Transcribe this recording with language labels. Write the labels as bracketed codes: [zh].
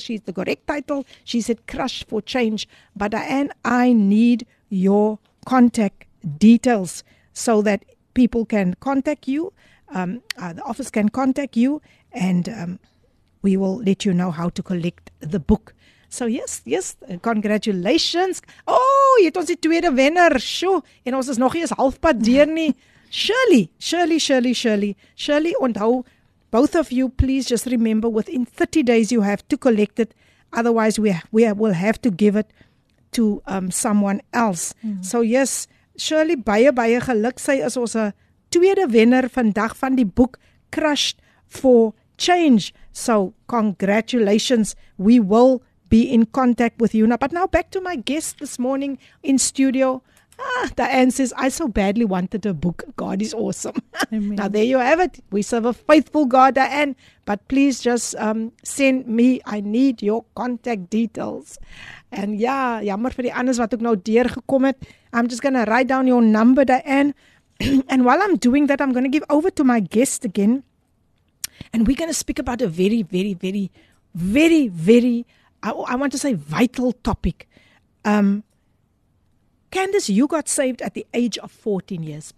[en] She's the correct title. She said, Crush for Change. But Diane, I need your contact details so that people can contact you, the office can contact you, and we will let you know how to collect the book. So yes, congratulations. [af] Oh, jy het ons die tweede wenner, sjoe, en ons is nog nie eens halfpad deur nie. [en] Shirley, onthou, both of you, please just remember, within 30 days you have to collect it, otherwise we will have to give it to someone else. So yes, [af] Shirley, baie geluk, sy is ons tweede wenner vandag van die boek Crushed for Change. [en] So, congratulations, we will be in contact with you. Now, but now back to my guest this morning in studio. Ah, Diane says, I so badly wanted a book. God is awesome. Now, there you have it. We serve a faithful God, Diane. But please just send me, I need your contact details. [af] En ja, jammer vir die anders wat ook nou deurgekom het. [en] I'm just going to write down your number, Diane. And while I'm doing that, I'm going to give over to my guest again. And we're going to speak about a very, very, very, very, very, I want to say vital topic. Candace, you got saved at the age of 14 years.